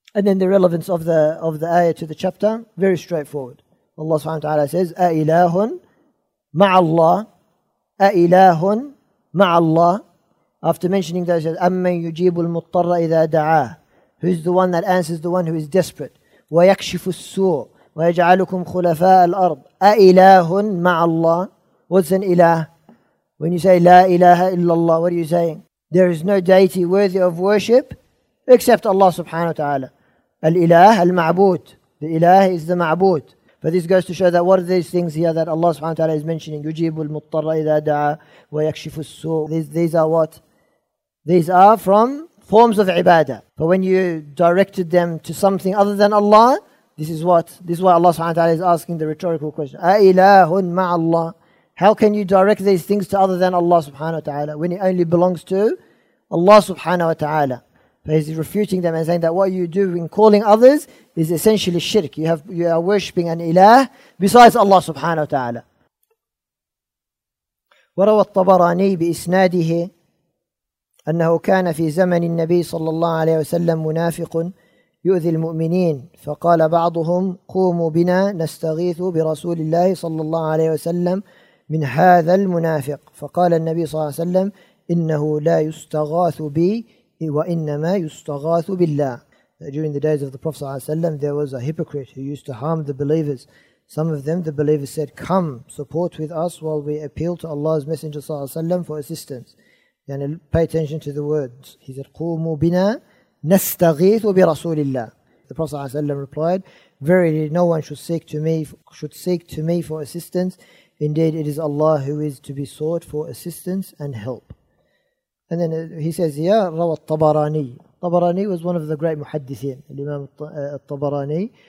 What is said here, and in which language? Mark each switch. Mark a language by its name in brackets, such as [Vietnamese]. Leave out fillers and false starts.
[English] And then the relevance of the ayah to the chapter, very straightforward. Allah subhanahu wa ta'ala says, [Arabic] A ilahun ma'allah, A ilahun ma'allah. [English] After mentioning that, he says, [Arabic] Amman yujibu al-muttarra idha da'ah. [English] Who's the one that answers the one who is desperate? [Arabic] وَيَكْشِفُ السُّوءُ وَيَجْعَلُكُمْ خُلَفَاءَ الْأَرْضِ أَإِلَاهٌ مَعَ اللَّهِ [English] What's an ilah? When you say [Arabic] لا إله إلا الله, [English] what are you saying? There is no deity worthy of worship except Allah subhanahu wa ta'ala. [Arabic] الإله المعبود. [English] The ilah is the ma'bud. But this goes to show that what are these things here that Allah subhanahu wa ta'ala is mentioning? [Arabic] يُجِيبُ الْمُطَّرَّ إِذَا دَعَى وَيَكْشِفُ السُّوءُ [English] These are what? These are from forms of ibadah. But when you directed them to something other than Allah, this is why Allah subhanahu wa ta'ala is asking the rhetorical question. [Arabic] A ilahun ma'allah. [English] How can you direct these things to other than Allah subhanahu wa ta'ala when it only belongs to Allah subhanahu wa ta'ala? But he's refuting them and saying that what you do in calling others is essentially shirk. You are worshipping an ilah besides Allah subhanahu wa ta'ala. [Arabic] وَرَوَى الطَّبَرَانِي بِإِسْنَادِهِ أنه كان في زمن النبي صلى الله عليه وسلم منافق يؤذي المؤمنين فقال بعضهم قوموا بنا نستغيث برسول الله صلى الله عليه وسلم من هذا المنافق فقال النبي صلى الله عليه وسلم إنه لا يستغاث بي وإنما يستغاث بالله. [English] During the days of the Prophet صلى الله عليه وسلم, there was a hypocrite who used to harm the believers. Some of them, the believers said, come, support with us while we appeal to Allah's Messenger صلى الله عليه وسلم for assistance. Yani pay attention to the words. He said, [Arabic] قُومُوا بِنَا نَسْتَغِيثُ بِرَسُولِ اللَّهِ. [English] The Prophet ﷺ replied, verily, no one should seek to me for assistance. Indeed, it is Allah who is to be sought for assistance and help. And then he says here, [Arabic] رَوَى الطَّبَرَانِي. [English] Tabarani was one of the great muhaddithin, Imam al-Tabarani.